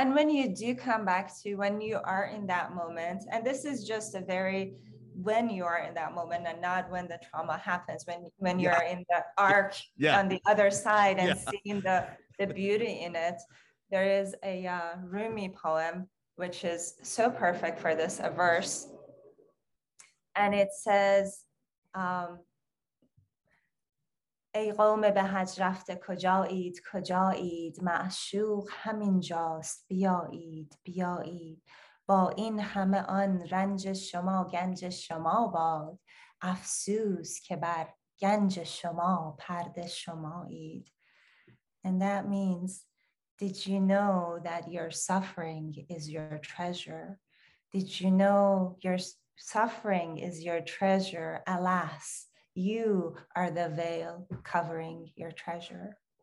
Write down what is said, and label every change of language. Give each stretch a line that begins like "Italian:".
English: And when you do come back to when you are in that moment, and this is just a very, when you are in that moment and not when the trauma happens, when you are in the arc on the other side and seeing the beauty in it, there is a Rumi poem, which is so perfect for this, a verse.
Persian: And it says, ای قوم به حج رفته کجایید کجایید معشوق همین جاست بیایید بیایید با این همه آن رنج شما گنج شما باد افسوس که بر گنج شما پرده شمایید.
English: And that means, did you know that your suffering is your treasure? Did you know your suffering is your treasure? Alas, you are the veil covering your treasure.